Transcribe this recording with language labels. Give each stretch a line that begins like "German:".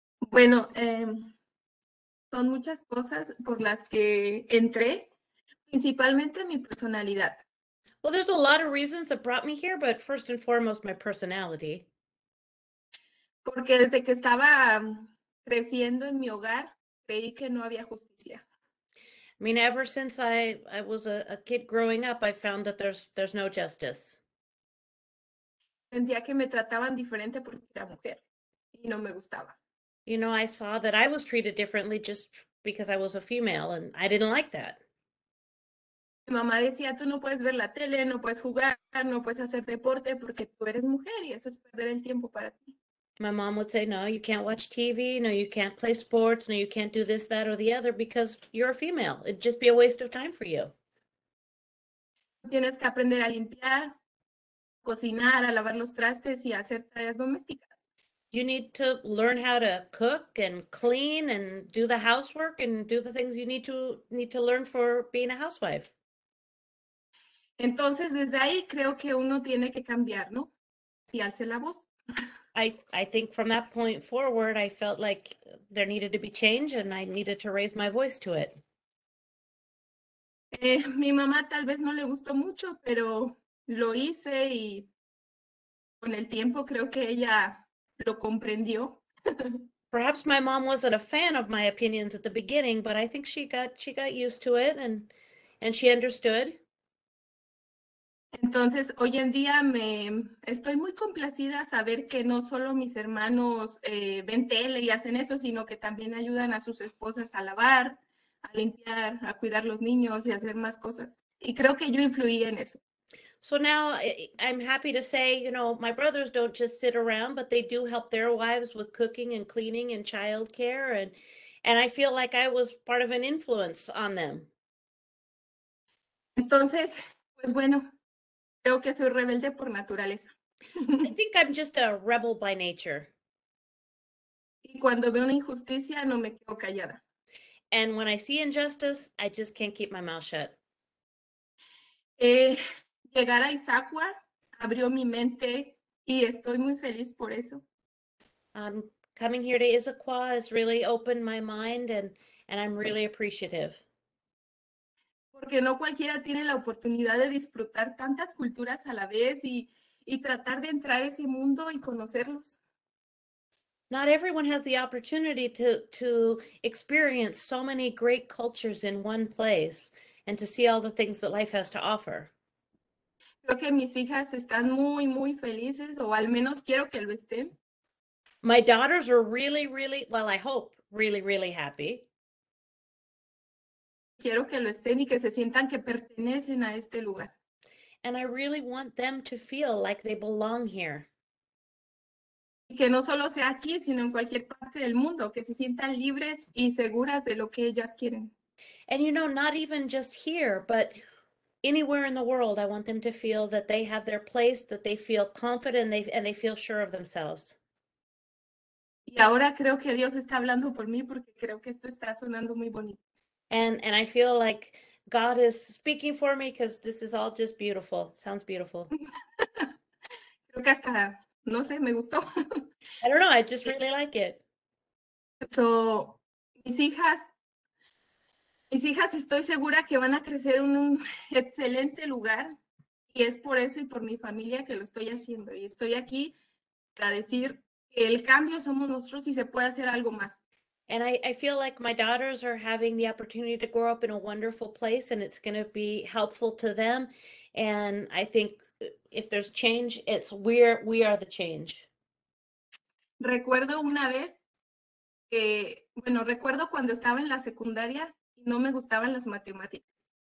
Spanish: Bueno, son muchas cosas por las que entré, principalmente mi personalidad.
English: Well, there's a lot of reasons that brought me here, but first and foremost, my personality.
Spanish: Porque desde que estaba creciendo en mi hogar, creí que no había justicia.
English: I mean, ever since I was a kid growing up, I found that there's no justice.
Spanish: Sentía que me trataban diferente porque era mujer y no me gustaba.
English: You know, I saw that I was treated differently just because I was a female, and I didn't like that.
Spanish: Mi mamá decía, tú no puedes ver la tele, no puedes jugar, no puedes hacer deporte porque tú eres mujer y eso es perder el tiempo para ti.
English: My mom would say, no, you can't watch TV, no, you can't play sports, no, you can't do this, that, or the other because you're a female. It'd just be a waste of time for you.
Spanish: Tienes que aprender a limpiar, cocinar, a lavar los trastes y hacer tareas domésticas.
English: You need to learn how to cook and clean and do the housework and do the things you need to learn for being a housewife.
Spanish: Entonces, desde ahí creo que uno tiene que cambiar, ¿no? Y alce la voz.
English: I think from that point forward, I felt like there needed to be change and I needed to raise my voice to it.
Spanish: Mi mamá tal vez no le gustó mucho, pero lo hice y con el tiempo creo que ella lo comprendió.
English: Perhaps my mom wasn't a fan of my opinions at the beginning, but I think she got used to it and she understood.
Spanish: Entonces, hoy en día estoy muy complacida a saber que no solo mis hermanos ven tele y hacen eso, sino que también ayudan a sus esposas a lavar, a limpiar, a cuidar los niños y hacer más cosas. Y creo que yo influí en eso.
English: So now I'm happy to say, you know, my brothers don't just sit around, but they do help their wives with cooking and cleaning and childcare. And I feel like I was part of an influence on them.
Spanish: Entonces, pues bueno. Creo que soy rebelde por naturaleza.
English: I think I'm just a rebel by nature.
Spanish: Y cuando veo una injusticia, no me quedo callada.
English: And when I see injustice, I just can't keep my mouth shut.
Spanish: Llegar a Issaquah abrió mi mente y estoy muy feliz por eso.
English: Coming here to Issaquah has really opened my mind and I'm really appreciative.
Spanish: Porque no cualquiera tiene la oportunidad de disfrutar tantas culturas a la vez y tratar de entrar a ese mundo y conocerlos.
English: Not everyone has the opportunity to experience so many great cultures in one place and to see all the things that life has to offer.
Spanish: Creo que mis hijas están muy, muy felices, o al menos quiero que lo estén.
English: My daughters are really, really, well, I hope, really, really happy.
Spanish: Quiero que lo estén y que se sientan que pertenecen a este lugar.
English: And I really want them to feel like they belong here.
Spanish: Y que no solo sea aquí, sino en cualquier parte del mundo, que se sientan libres y seguras de lo que ellas quieren.
English: And you know, not even just here, but anywhere in the world, I want them to feel that they have their place, that they feel confident and they feel sure of themselves.
Spanish: Y ahora creo que Dios está hablando por mí porque creo que esto está sonando muy bonito.
English: And I feel like God is speaking for me because this is all just beautiful. Sounds beautiful.
Spanish: Creo que hasta, no sé, me gustó.
English: I don't know. I just really like it.
Spanish: So, mis hijas, estoy segura que van a crecer en un excelente lugar. Y es por eso y por mi familia que lo estoy haciendo. Y estoy aquí para decir que el cambio somos nosotros y se puede hacer algo más.
English: And I feel like my daughters are having the opportunity to grow up in a wonderful place and it's going to be helpful to them. And I think if there's change, it's we are the change.
Spanish: Recuerdo una vez, recuerdo cuando estaba en la secundaria y no me gustaban las matemáticas.